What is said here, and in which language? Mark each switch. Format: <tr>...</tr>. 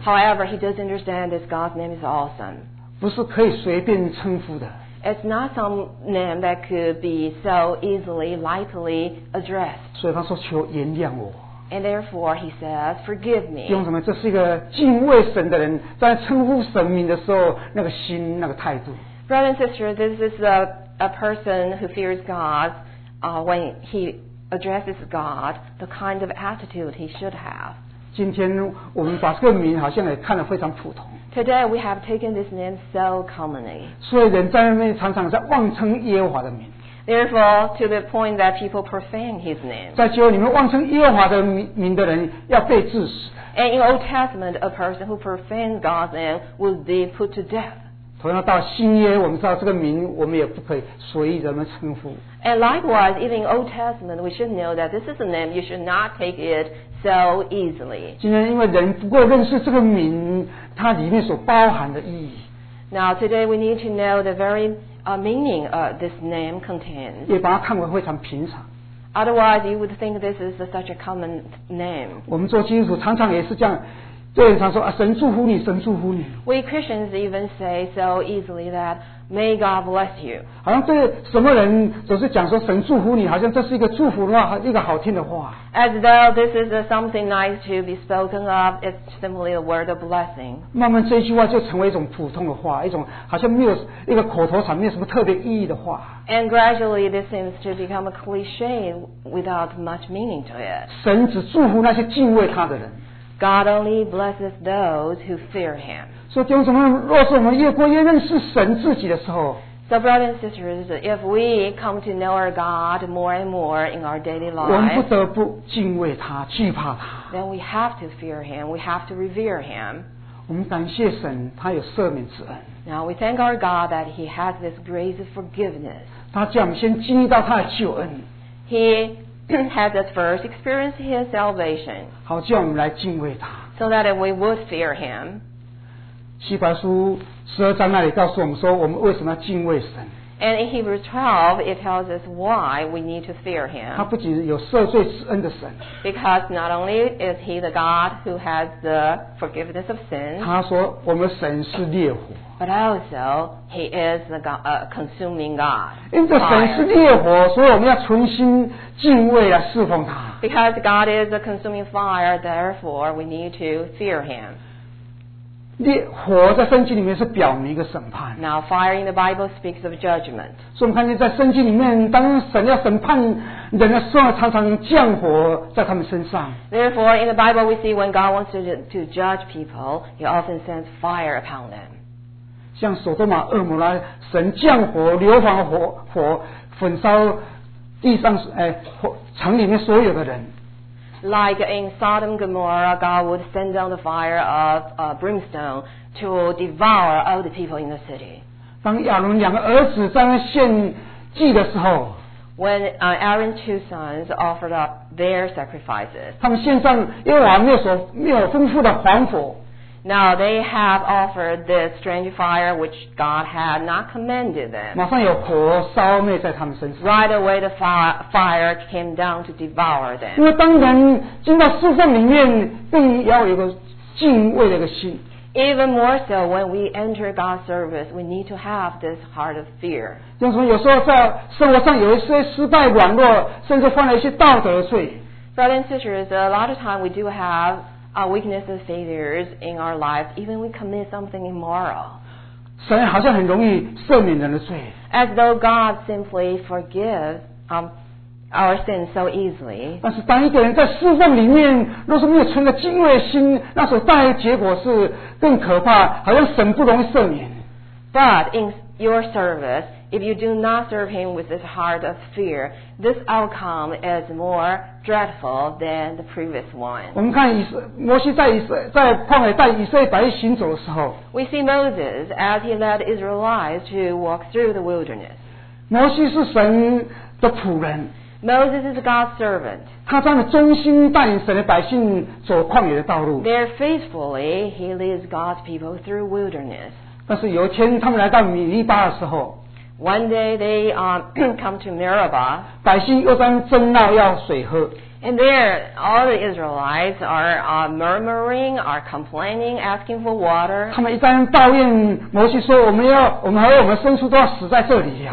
<en>However, he does understand that God's name is awesome.</en> <zh>不是可以随便称呼的。</zh> <en>It's not some name that could be so easily, lightly addressed.</en> <zh>所以他说求原谅我。</zh> <en>And therefore he says, forgive me.</en> <zh>用什么？这是一个敬畏神的人在称呼神明的时候那个心那个态度。</zh> <en>Brother and sister, this is a person who fears God when he addresses God, the kind of attitude he should have.</en> <zh>今天我们把这个名好像也看得非常普通。</zh> <en>Today we have taken this name so commonly.</en> <zh>所以人在那边常常在妄称耶和华的名。</zh> <en>Therefore, to the point that people profane His name.</en> <zh>在教会里面妄称耶和华的名的人要被致死。</zh> <en>And in Old Testament, a person who profanes God's name would be put to death.</en> <zh>同样到新约，我们知道这个名我们也不可以随意人们称呼。</zh> <en>And likewise, even in Old Testament, we should know that this is a name you should not take it so easily.</en> <zh>今天因为人不够认识这个名。它里面所包含的意义。</zh> <en>Now today we need to know the very meaning this name contains.</en> <zh>也把它看为非常平常。</zh> <en>Otherwise, you would think this is such a common name.</en> <zh>我们做基督徒常常也是这样，对人常说啊，神祝福你，神祝福你。</zh> <en>We Christians even say so easily that May God bless you.</en> <zh>好像对什么人总是讲说神祝福你，好像这是一个祝福的话，一个好听的话。</zh> <en>As though this is something nice to be spoken of, it's simply a word of blessing.</en> <zh>慢慢这句话就成为一种普通的话，一种好像没有一个口头禅，没有什么特别意义的话。</zh> <en>And gradually, this seems to become a cliche without much meaning to it.</en> <zh>神只祝福那些敬畏他的人。</zh> <en>God only blesses those who fear Him.</en> <zh>所以弟兄姊妹，若是我们越过越认识神自己的时候</zh> <en>，So brothers and sisters, if we come to know our God more and more in our daily life,</en> <zh>我们不得不敬畏他，惧怕他。</zh> <en>Then we have to fear Him. We have to revere Him.</en> <zh>我们感谢神，他有赦免之恩。</zh> <en>Now we thank our God that He has this grace of forgiveness.</en> <zh>他叫我们先经历到他的救恩。</zh> <en>He has at first experienced His salvation.</en> <zh>好，叫我们来敬畏他。</zh> <en>So that we would fear Him.</en> <zh>希伯来书十二章那里告诉我们说，我们为什么要敬畏神</zh> <en>？And in Hebrews 12, it tells us why we need to fear Him.</en> <zh>他不仅有赦罪之恩的神</zh> <en>，Because not only is He the God who has the forgiveness of sins.</en> <zh>他说，我们神是烈火</zh> <en>，But also He is the God, consuming God.</en> <zh>因着神是烈火，所以我们要存心敬畏啊，侍奉他。</zh> <en>Because God is a consuming fire, therefore we need to fear Him.</en> <zh>火在圣经里面是表明一个审判。</zh> <en>Now fire in the Bible speaks of judgment.</en> <zh>所以我们看见在圣经里面，当神要审判人的时候，常常降火在他们身上。</zh> <en>Therefore, in the Bible, we see when God wants to judge people, He often sends fire upon them.</en> <zh>像索多玛、恶魔拉，神降火、硫磺火、火焚烧地上，城里面所有的人。</zh> <en>Like in Sodom and Gomorrah, God would send down the fire of brimstone to devour all the people in the city.</en> <zh>当亚伦两个儿子在那献祭的时候</zh> <en>，When Aaron's two sons offered up their sacrifices,</en> <zh>他们献上耶和华没有丰富的黄火。</zh> <en>Now they have offered this strange fire which God had not commanded them.</en> <zh>马上有火烧灭在他们身上。</zh> <en>Right away the fire came down to devour them.</en> <zh>因为当人进到侍奉里面，必要有一个敬畏的一个心。</zh> <en>Even more so, when we enter God's service, we need to have this heart of fear.</en> <zh>就是说有时候在生活上有一些失败、软弱，甚至犯了一些道德的罪。</zh> <en>Brothers and sisters, a lot of time we do have. Our weaknesses and failures in our lives, even we commit something immoral.</en> <zh>神好像很容易赦免人的罪。</zh> <en>As though God simply forgives our sins so easily.</en> <zh>但是当一个人在侍奉里面，若是没有存着敬畏心，那所带来的结果是更可怕，好像神不容易赦免。</zh> <en>But in your service, if you do not serve Him with this heart of fear, this outcome is more. Dreadful than the previous one.</en> <zh>我们看摩西在旷野带以色列百姓行走的时候</zh> <en>，We see Moses as he led Israelites to walk through the wilderness.</en> <zh>摩西是神的仆人</zh> <en>，Moses is God's servant.</en> <zh>他这么忠心带领神的百姓走旷野的道路</zh> <en>，There faithfully he leads God's people through wilderness.</en> <zh>但是有一天他们来到米利巴的时候。</zh> <en>One day they come to Meribah.</en> <zh>百姓又在争闹要水喝。</zh> <en>And there, all the Israelites are murmuring, are complaining, asking for water.</en> <zh>他们一旦抱怨摩西说我们牲畜都要死在这里呀。</zh>